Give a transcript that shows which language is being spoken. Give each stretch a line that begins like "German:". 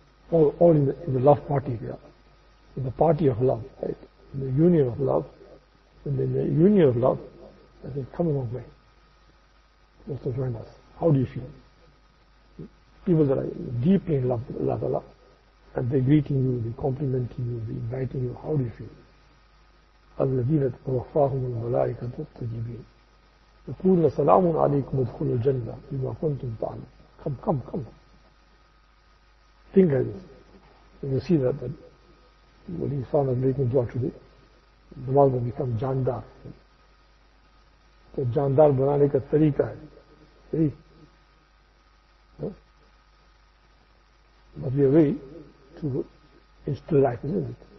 English: All in the love party here. In the party of love, right? In the union of love. And in the union of love, I say, come a long way. You have to join us. How do you feel? People that are deeply in love, love, love. And they're greeting you, they're complimenting you, they're inviting you. How do you feel?
Arabic: الَّذِينَ تَوَفَّاهُمُ الْمَلَائِكَةُ الطَّيِّبِينَ يَقُولُونَ سَلَامٌ عَلَيْكُمْ ادْخُلُوا الْجَنَّةَ بِمَا كُنْتُمْ تَعْمَلُونَ
English: Come, come, come. Think like this. And you see that when he saw that making dua today, the world will become jandar.
Urdu: So jandar banane ka tariqa hai. See?
English: But we are ready to instill life, isn't it?